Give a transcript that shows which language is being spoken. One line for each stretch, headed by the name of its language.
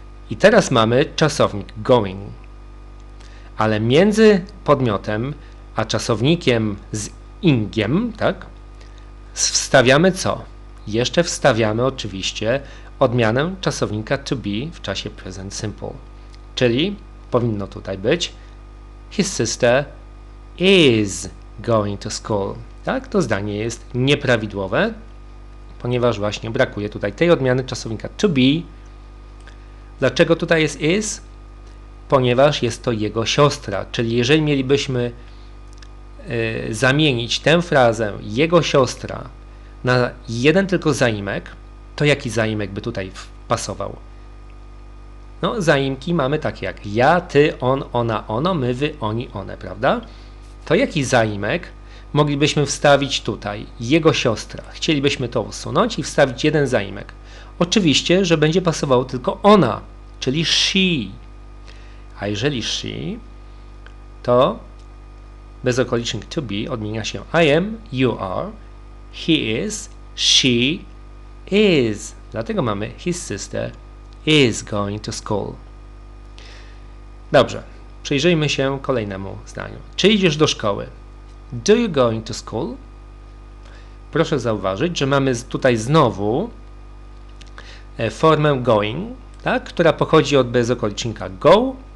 Polish: I teraz mamy czasownik going. Ale między podmiotem a czasownikiem z ingiem, tak? Wstawiamy co? Jeszcze wstawiamy oczywiście odmianę czasownika to be w czasie present simple. Czyli powinno tutaj być
English: his sister is going to school.
Polish: Tak? To zdanie jest nieprawidłowe, ponieważ właśnie brakuje tutaj tej odmiany czasownika to be. Dlaczego tutaj jest is? Ponieważ jest to jego siostra. Czyli jeżeli mielibyśmy zamienić tę frazę jego siostra na jeden tylko zaimek, to jaki zaimek by tutaj pasował? No, zaimki mamy takie jak ja, ty, on, ona, ono, my, wy, oni, one, prawda? To jaki zaimek moglibyśmy wstawić tutaj jego siostra? Chcielibyśmy to usunąć i wstawić jeden zaimek. Oczywiście, że będzie pasował tylko ona, czyli she, A jeżeli she, to bez okolicznik to be odmienia się
English: I am, you are, he is, she is.
Polish: Dlatego mamy
English: his sister is going to school.
Polish: Dobrze, przyjrzyjmy się kolejnemu zdaniu. Czy idziesz do szkoły?
English: Do you going to school?
Polish: Proszę zauważyć, że mamy tutaj znowu formę going, tak, która pochodzi od bezokolicznika go.